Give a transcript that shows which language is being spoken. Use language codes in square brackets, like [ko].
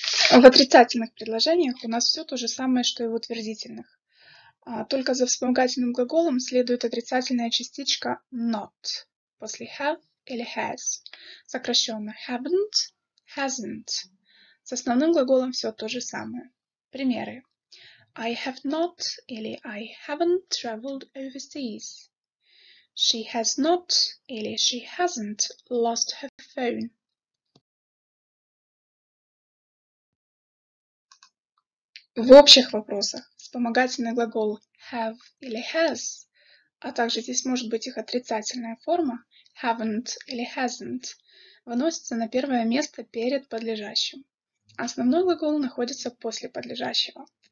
[ru] В отрицательных предложениях у нас все то же самое, что и в утвердительных. Только за вспомогательным глаголом следует отрицательная частичка not. После have или has, сокращенно haven't, hasn't. С основным глаголом все то же самое. Примеры. [en] I have not или I haven't traveled overseas. She has not или she hasn't lost her phone. [ru] В общих вопросах вспомогательный глагол have или has, а также здесь может быть их отрицательная форма, haven't или hasn't, выносится на первое место перед подлежащим. Основной глагол находится после подлежащего.